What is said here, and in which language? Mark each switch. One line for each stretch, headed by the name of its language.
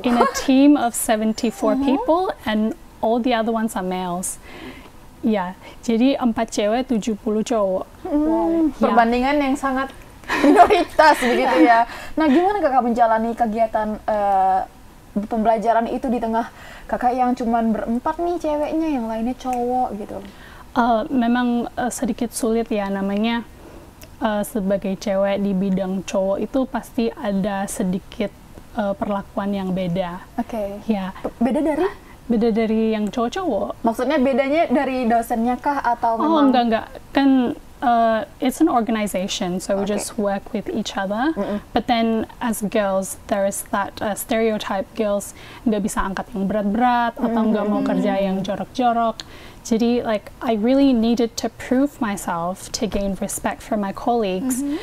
English: In a team of 74 people and all the other ones are males.
Indonesian: Ya, jadi 4 cewek, 70 cowok. Perbandingan yang sangat minoritas begitu ya. Nah, gimana Kakak menjalani kegiatan pembelajaran itu di tengah Kakak yang cuma berempat nih ceweknya, yang lainnya cowok gitu? Memang sedikit sulit ya namanya sebagai cewek di bidang cowok itu pasti ada sedikit perlakuan yang beda. Oke. Okay. Ya. Beda dari? Beda dari yang cowok-cowok. Maksudnya bedanya dari dosennya kah atau memang? Oh enggak.
English: Kan it's an organization, so we just work with each other. But then as girls, there is that stereotype girls
Indonesian: nggak bisa angkat yang berat-berat atau nggak mau kerja yang jorok-jorok.
English: Jadi like I really needed to prove myself to gain respect from my colleagues.